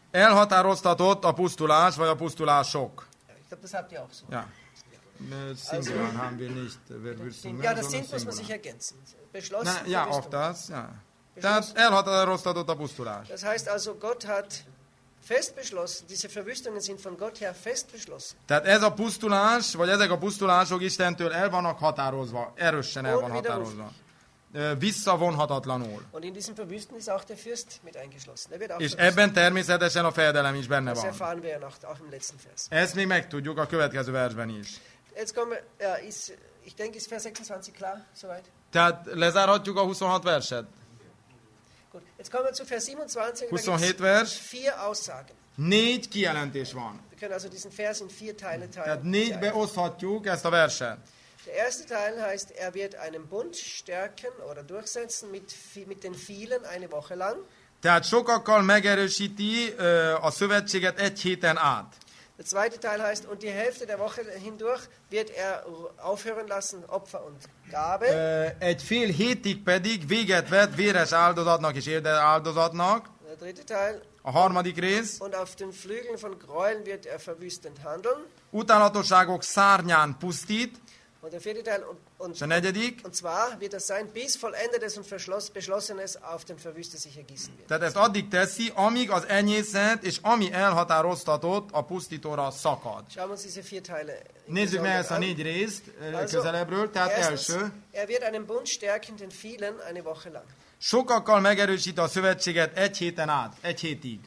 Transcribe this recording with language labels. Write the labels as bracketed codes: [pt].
[hu] Elhatároztatott a pusztulás vagy a pusztulások. [de] Ich glaube, das habt ihr auch so. Ja. Singular also, haben wir nicht. Wer ja, das sind, muss man sich ergänzen. Beschlossen. Na, ja, auf das. Ja. [hu] Tehát elhatároztatott a pusztulás. [de] Das heißt also, Gott hat fest beschlossen, diese Verwüstungen sind von Gott her fest beschlossen. [hu] Tehát ez a pusztulás, vagy ezek a pusztulások Istentől el vannak határozva, erősen el van határozva. Visszavonhatatlanul. [de] Und in diesem Verwüsten ist auch der Fürst mit eingeschlossen. Er wird auch [hu] és [de] verwüsten. [hu] Ebben természetesen a fejedelem is benne van. [de] Das erfahren wir ja noch, auch im letzten Vers. [hu] Ezt még megtudjuk a következő versben is. [de] Jetzt kommen wir, ich denke, ist Vers 26 klar, soweit? [hu] Tehát lezárhatjuk a 26 verset. [de] Gut, jetzt kommen wir zu Vers 27. [hu] 27 vers. [de] Vier Aussagen. [hu] Négy kijelentés van. [de] Wir können also diesen Vers in vier Teile teilen. [hu] Tehát négybe oszthatjuk ezt a verset. [de] Der erste Teil heißt, er wird einen Bund stärken oder durchsetzen mit den vielen eine Woche lang. [hu] Tehát sokakkal megerősíti a szövetséget egy héten át. [de] Der zweite Teil heißt, und die Hälfte der Woche hindurch wird er aufhören lassen, Opfer und Gabe. [hu] Egy fél hétig pedig véget vet véres áldozatnak és érdes áldozatnak. [de] Der dritte Teil. [hu] A harmadik rész. [de] Und auf den Flügeln von Gräuel wird er verwüstend handeln. [hu] Utálatosságok szárnyán pusztít. [de] Und der vierte Teil. [hu] És a negyedik. [de] Und zwar wird es sein, bis vollendetes und beschlossenes auf den Verwüste sich ergießen wird. [hu] Tehát ezt addig teszi, amíg az enyészet és ami elhatároztatott a pusztítóra szakad. [de] Schauen wir uns diese vier Teile. [hu] Nézzük meg ezt a négy részt közelebbről. Tehát első. [de] Er wird einen Bund stärken den vielen eine Woche lang. [hu] Sokakkal megerősít a szövetséget egy héten át, egy hétig.